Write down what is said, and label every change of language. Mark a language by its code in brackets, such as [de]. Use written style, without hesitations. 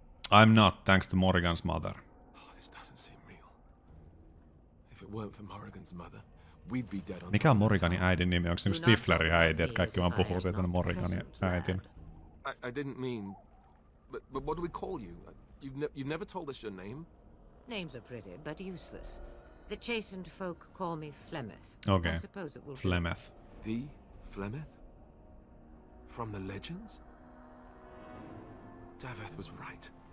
[en] I'm not, thanks to Morrigan's mother. Oh, this doesn't seem real. If it weren't for Morrigan's mother, we'd be dead on. [fi] Mikä on Morriganin äidin nimi? Onko se Stiflerin äiti, että kaikki vaan puhuu siitä Morriganin äitin? [en] I didn't mean... But what do we call you? You've never told us your name? Names are pretty, but useless. The chastened folk call me Flemeth. Okay. I suppose it will be... Flemeth. The Flemeth? From the legends? Daveth was right.